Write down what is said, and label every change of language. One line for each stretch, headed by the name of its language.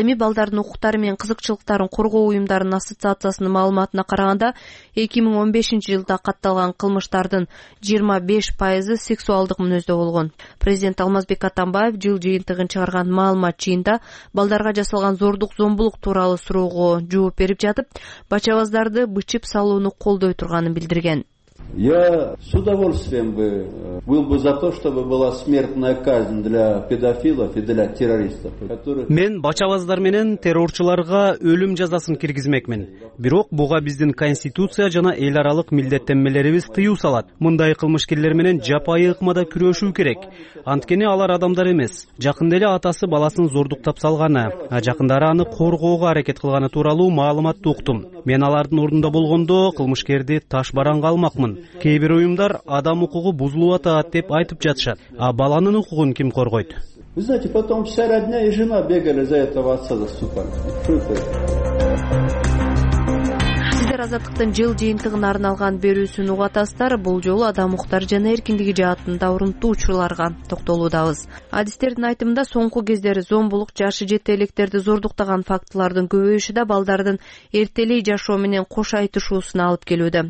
Kyrgyz: Ал эми балдардын укуктары менен кызыкчылыктарын коргоо уюмдарынын ассоциациясынын маалыматына караганда, 2015-жылда катталган кылмыштардын 25% сексуалдык мүнөздө болгон. Президент Алмазбек Атамбаев жыл жыйынтыгын чыгарган маалымат жыйында балдарга жасалган зордук-зомбулук тууралуу суроого жооп берип жатып, бачабаздарды бычып салууну колдой турганын билдирген.
Russian: Я с удовольствием бы был бы за то, чтобы была смертная казнь для педофилов и для террористов.
Kyrgyz: Мен бачабаздар менен террорчуларга өлүм жазасын киргизмекмин. Бирок буга биздин конституция жана эл аралык милдеттенмелерибиз тыюу салат. Мындай кылмышкерлер менен жапайы ыкмада күрөшүү керек. Анткени алар адамдар эмес. Жакында эле атасы баласын зордуктап салганы, а жакындары аны коргоого аракет кылганы тууралуу маалыматты уктум. Мен алардын ордунда болгондо кылмышкерди таш баран калмак. Кээ бир уюмдар адам укугу бузулуп атат деп айтып жатышат. А баланын укугун ким коргойт?
Russian: Вы знаете, потом вся родня и жена бегали за этого отца заступать.
Kyrgyz: Сиздер азаттыктын жыл жыйынтыгына арналган берүүсүн угатасыздар. Бул жолу адам укуктары жана эркиндиги жаатында урунтуу учурларга токтолуудабыз. Адистердин айтымында соңку кездери зомбулук, жашы жете электерди зордуктаган фактылардын көбөйүшү да балдардын эртелей жашоо менен кош айтышуусуна алып келүүдө.